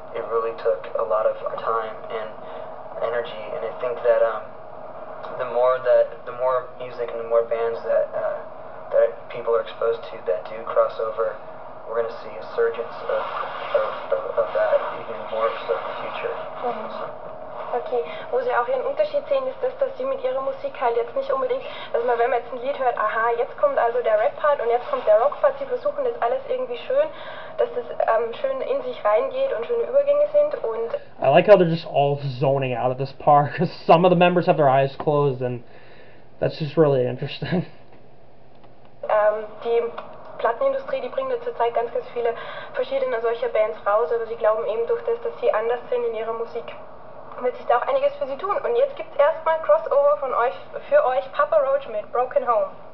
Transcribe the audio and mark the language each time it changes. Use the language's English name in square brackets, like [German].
[English] It really took a lot of our time and energy, and I think that the more music and the more bands that that people are exposed to that do crossover, we're going to see a surgence of that even more so in the future. [German] Okay, wo sie auch ihren Unterschied sehen, ist das, dass sie mit ihrer Musik halt jetzt nicht unbedingt, also wenn man jetzt ein Lied hört, aha, jetzt kommt also der Rap-Part und jetzt kommt der Rock-Part, sie versuchen das alles irgendwie schön, dass das schön in sich reingeht und schöne Übergänge sind und... [English] I like how they're just all zoning out at this part, because some of the members have their eyes closed and that's just really interesting. [German] Die Plattenindustrie, die bringt ja zurzeit ganz, ganz viele verschiedene solcher Bands raus, aber sie glauben eben durch das, dass sie anders sind in ihrer Musik, wird sich da auch einiges für sie tun. Und jetzt gibt's erstmal Crossover von euch für euch Papa Roach mit Broken Home.